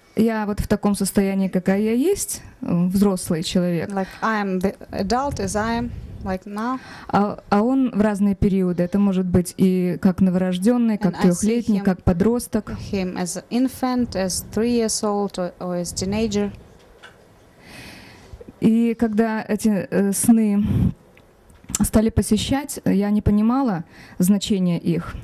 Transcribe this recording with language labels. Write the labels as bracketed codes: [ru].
[ru] Я вот в таком состоянии, какая я есть, взрослый человек. [en] Like I am the adult as I am. Like now. [ru] А он в разные периоды, это может быть и как новорожденный, как трехлетний, как подросток. [en] Him as infant, as 3 years old, or as teenager. [ru] И когда эти сны стали посещать, я не понимала значения их.